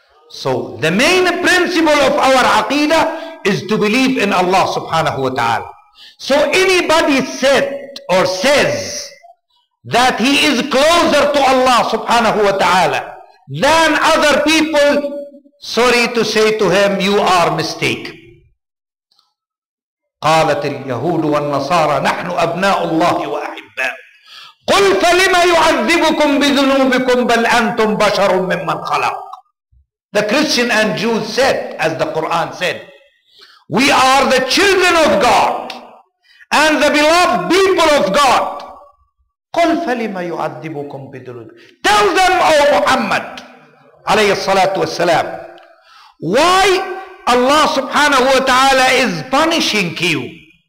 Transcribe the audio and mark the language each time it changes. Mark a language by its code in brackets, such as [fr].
[en] So the main principle of our aqeedah is to believe in Allah subhanahu wa ta'ala. So anybody said or says that he is closer to Allah subhanahu wa ta'ala than other people, sorry to say to him, you are mistaken. [ar] قالت اليهود والنصارى نحن أبناء الله وأحباء قل فلما يعذبكم بذنوبكم بل أنتم بشر ممن خلق. [en] The Christian and Jews said, as the Quran said, we are the children of God and the beloved people of God. قل فلما يعذبكم بذنوب. Tell them, O Muhammad عليه الصلاة والسلام, why Allah subhanahu wa ta'ala is punishing you?